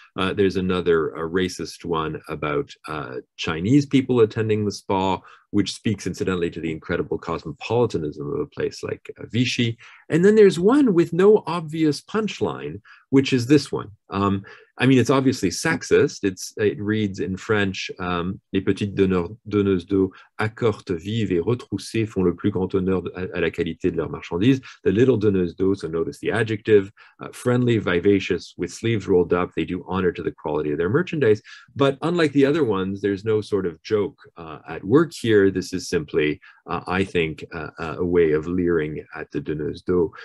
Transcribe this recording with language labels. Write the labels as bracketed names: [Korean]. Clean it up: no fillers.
[English] There's another racist one about Chinese people attending the spa, which speaks incidentally to the incredible cosmopolitanism of a place like Vichy. And then there's one with no obvious punchline, which is this one. I mean, it's obviously sexist. It reads in French, [French] les petites donneuses d'eau accortent vives et retroussées font le plus grand honneur à la qualité de leur marchandise. [English] The little donneuses d'eau, so notice the adjective, friendly, vivacious, with sleeves rolled up, they do honor to the quality of their merchandise. But unlike the other ones, there's no sort of joke at work here. here, this is simply, I think, a way of leering at the donneuse d'eau.